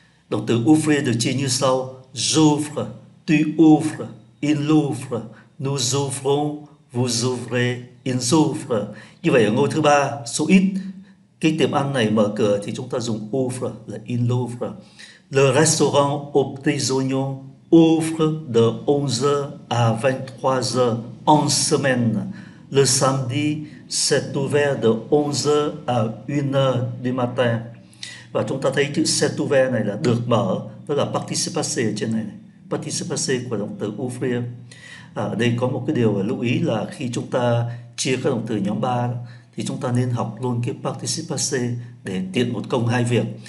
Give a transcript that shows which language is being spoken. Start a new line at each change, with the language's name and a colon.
Vietnamese: Động từ ouvrir được chia như sau:
French: j'ouvre, tu ouvres, il ouvre, nous ouvrons, vous ouvrez, il ouvre.
Vietnamese: Như vậy ở ngôi thứ ba, số ít, cái tiệm ăn này mở cửa thì chúng ta dùng ouvre là il ouvre.
French: Le restaurant au Petit Oignon ouvre de 11h à 23h en semaine. Le samedi, c'est ouvert de 11h à 1h du matin.
Vietnamese: Và chúng ta thấy chữ c'est ouvert này là được mở, đó là participe passé ở trên này, participe passé của động từ ouvrir. Ở đây có một cái điều là lưu ý là khi chúng ta chia các động từ nhóm 3 thì chúng ta nên học luôn cái participe passé để tiện một công hai việc.